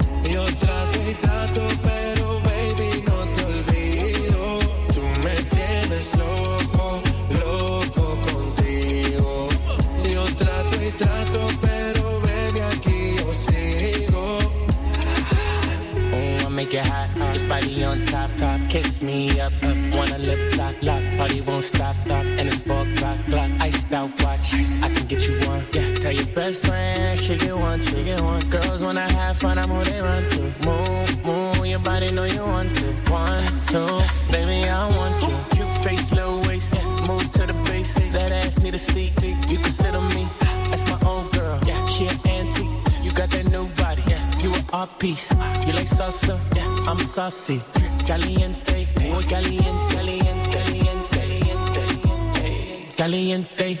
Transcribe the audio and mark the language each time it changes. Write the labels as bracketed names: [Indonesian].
[Spanish] Yo trato y trato, pero baby, no te olvido. Tú me tienes loco, loco contigo. Yo trato y trato, pero baby, aquí yo sigo. [English] Oh, I make it hot. Body on top, top, kiss me up, up. Wanna lip lock, lock. Party won't stop, stop. And it's 4 o'clock, block. Iced out watch, ice. I can get you one, yeah. Tell your best friend, she get one, she get one. Girls wanna have fun, I'm who they run to. Move, move, your body know you want to. One, two, baby, I want you. Cute face, low waist, yeah. Move to the basics. That ass need a seat, seat. You consider me, that's my old girl. Yeah, she an antique. You got that new body, yeah. You an art piece. You like salsa, yeah. I'm saucy, [Spanish] caliente, muy caliente, caliente, caliente, caliente, caliente.